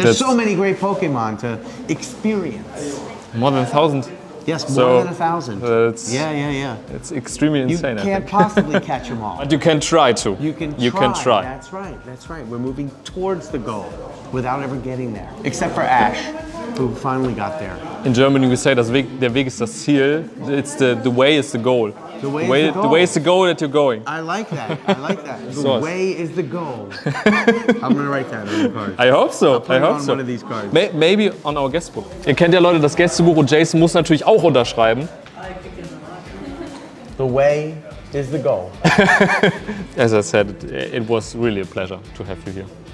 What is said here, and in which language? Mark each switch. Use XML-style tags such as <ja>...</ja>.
<en>there's so many great Pokemon to experience. More than 1,000. Yes, more than 1,000. Yeah. It's extremely insane, I think. You can't possibly catch them all. But you can try to. You can try. That's right. We're moving towards the goal without ever getting there, except for Ash. Who finally got there. In Germany we say</en> <de>das Weg, der Weg ist das Ziel.</de> <en>It's the way is the goal. The way is the goal that you're going. I like that. The way is the goal. I'm gonna write that on the card. I hope so. I'll put I hope it on so. One of these cards. Maybe on our guestbook.</en> <de>Ihr kennt ja Leute das Gästebuch und Jason muss natürlich auch unterschreiben.</de> <en>The way is the goal. As I said, it was really a pleasure to have you here.</en>